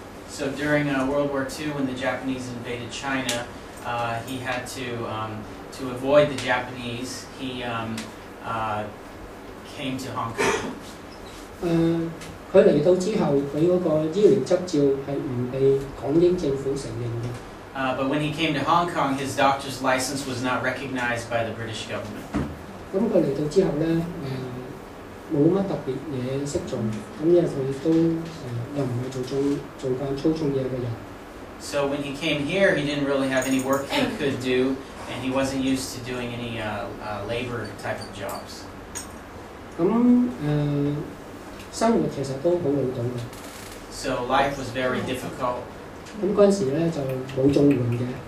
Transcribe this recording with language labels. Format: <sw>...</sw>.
<en>So during World War II, when the Japanese invaded China, he had to avoid the Japanese. He came to Hong Kong.</en> <yue>佢嚟到之後，佢嗰個醫療執照係唔被港英政府承認嘅。</yue> <en>But when he came to Hong Kong, his doctor's license was not recognized by the British government.</en> <yue>咁佢嚟到之後咧，冇乜特別嘢識做，咁因為佢都又唔係做慣粗重嘢嘅人。</yue> <en>So when he came here, he didn't really have any work he could do, and he wasn't used to doing any labor type of jobs.</en> <yue>咁生活其實都好勞動嘅。</yue> <en>So life was very difficult.</en> <yue>咁嗰陣時咧就冇綜援嘅。</yue>